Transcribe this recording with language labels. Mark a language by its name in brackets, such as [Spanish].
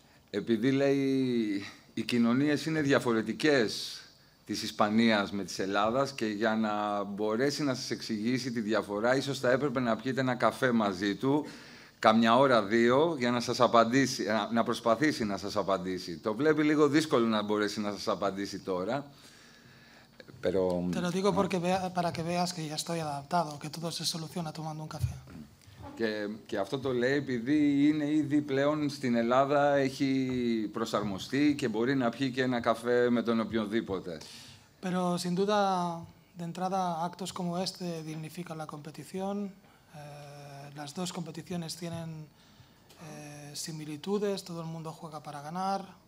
[Greek] Επειδή λέει οι κοινωνίες είναι διαφορετικές της Ισπανίας με της Ελλάδας και για να μπορέσει να σας εξηγήσει τη διαφορά ίσως θα έπρεπε να πιείτε ένα καφέ μαζί του καμιά ώρα δύο για να σας απαντήσει, να προσπαθήσει να σας απαντήσει. Το βλέπει λίγο δύσκολο να μπορέσει να σας απαντήσει τώρα. [Spanish] Pero... Te lo digo porque para que veas que ya estoy adaptado, que todo se soluciona tomando un café. [Greek] Και αυτό το λέει επειδή είναι ήδη πλέον στην Ελλάδα, έχει προσαρμοστεί και μπορεί να πιει και ένα καφέ με τον οποιονδήποτε. [Spanish] Pero sin duda, de entrada, actos como este dignifican la competición. Las dos competiciones tienen similitudes, todo el mundo juega para ganar.